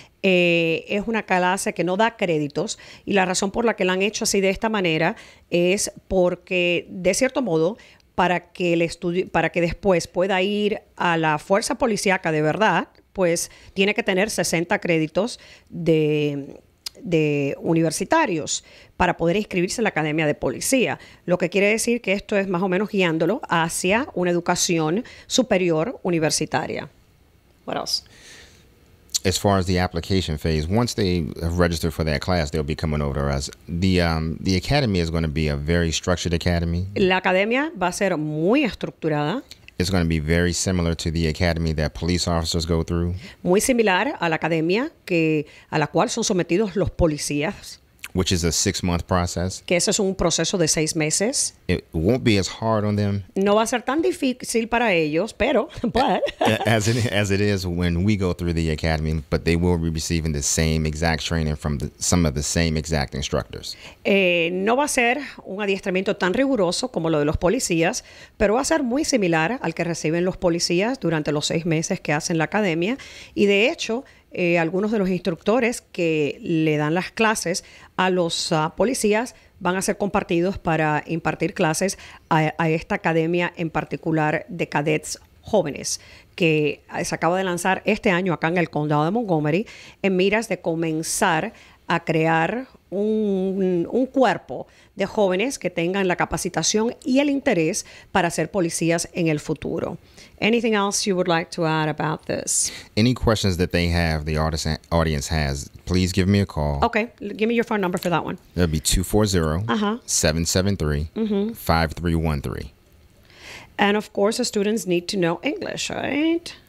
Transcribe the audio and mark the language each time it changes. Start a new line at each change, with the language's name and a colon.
Spanish: Es una clase que no da créditos y la razón por la que la han hecho así de esta manera es porque, de cierto modo, para que después pueda ir a la fuerza policíaca de verdad, pues tiene que tener 60 créditos de universitarios para poder inscribirse en la academia de policía. Lo que quiere decir que esto es más o menos guiándolo hacia una educación superior universitaria.
English: What else? As far as the application phase, once they have registered for that class, they'll be coming over to us. The academy is going to be a very structured academy.
Spanish: La academia va a ser muy estructurada.
English: It's going to be very similar to the academy that police officers go through.
Spanish: Muy similar a la academia a la cual son sometidos los policías.
English: Which is a 6-month process.
Spanish: Que ese es un proceso de 6 meses.
English: It won't be as hard on them.
Spanish: No va a ser tan difícil para ellos, pero, but.
English: as it is when we go through the academy, but they will be receiving the same exact training from some of the same exact instructors.
Spanish: No va a ser un adiestramiento tan riguroso como lo de los policías, pero va a ser muy similar al que reciben los policías durante los 6 meses que hacen la academia. Y de hecho, algunos de los instructores que le dan las clases a los policías van a ser compartidos para impartir clases a esta academia en particular de cadets jóvenes que se acaba de lanzar este año acá en el condado de Montgomery en miras de comenzar a crear un cuerpo de jóvenes que tengan la capacitación y el interés para ser policías en el futuro.
English: Anything else you would like to add about this? Any questions that they have, the audience has, please give me a call. Okay, give me your phone number for that one. That'd be 240-773-5313. And of course, the students need to know English, right?